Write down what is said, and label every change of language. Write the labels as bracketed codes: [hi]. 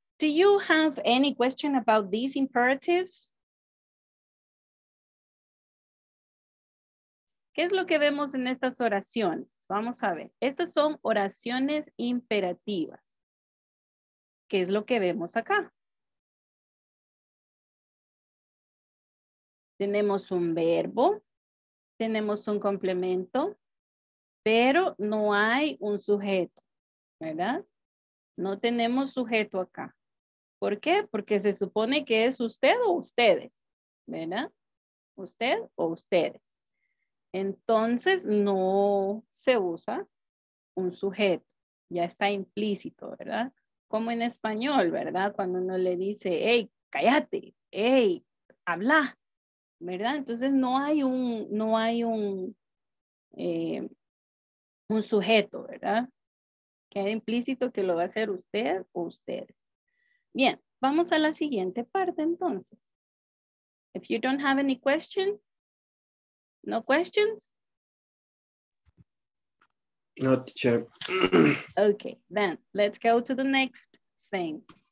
[en] Do you have any question about these imperatives? [es] ¿Qué es lo que vemos en estas oraciones? Vamos a ver. Estas son oraciones imperativas. ¿Qué es lo que vemos acá? Tenemos un verbo, tenemos un complemento, pero no hay un sujeto, ¿verdad? No tenemos sujeto acá. ¿Por qué? Porque se supone que es usted o ustedes, ¿verdad? Usted o ustedes. Entonces, no se usa un sujeto. Ya está implícito, ¿verdad? Como en español, ¿verdad? Cuando uno le dice, hey, cállate, hey, habla, ¿verdad? Entonces no hay un, no hay un sujeto, ¿verdad? Queda implícito que lo va a hacer usted o ustedes. Bien, vamos a la siguiente parte entonces. [en] If you don't have any question, no questions? No, teacher. Okay, then let's go to the next thing.